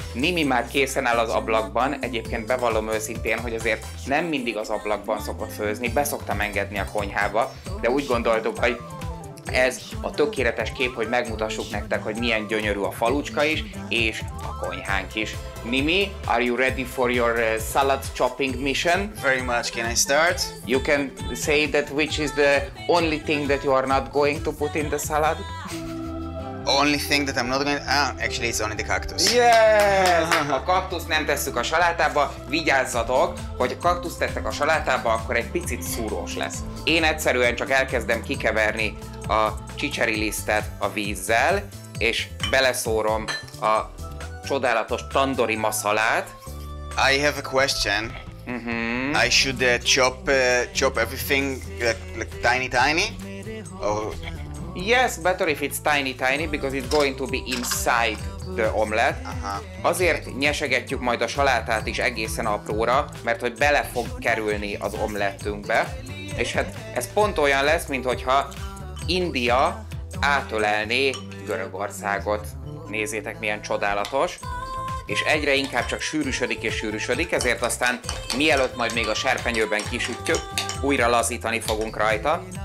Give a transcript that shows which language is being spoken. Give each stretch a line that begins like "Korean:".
Hungarian: Nimi már készen áll az ablakban, egyébként bevallom őszintén, hogy azért nem mindig az ablakban szokott főzni, beszoktam engedni a konyhába, de úgy gondoltuk, hogy ez a tökéletes kép, hogy megmutassuk nektek, hogy milyen gyönyörű a falucska is, és a konyhánk is.
English: Mimi, are you ready for your salad chopping mission? Very much, can I start? You can say that which is the only thing that you are not going to put in the salad? Only thing that I'm not going to... actually it's only the cactus. Yes!
Hungarian: A kaktuszt nem tesszük a salátába, vigyázzatok, hogy a kaktuszt tettek a salátába, akkor egy picit szúrós lesz. Én egyszerűen csak elkezdem kikeverni a csicseri lisztet a vízzel, és beleszórom a csodálatos tandoori masalát.
English: I have a question. Mm-hmm. I should chop everything like tiny, or Yes, better if it's tiny tiny, because it's going to be inside the omelet.
Hungarian: Azért nyesegetjük majd a salátát is egészen apróra, mert hogy bele fog kerülni az omlettünkbe. És hát ez pont olyan lesz, mintha India átölelné Görögországot. Nézzétek, milyen csodálatos. És egyre inkább csak sűrűsödik és sűrűsödik, ezért aztán mielőtt majd még a serpenyőben kisütjük, újra lazítani fogunk rajta.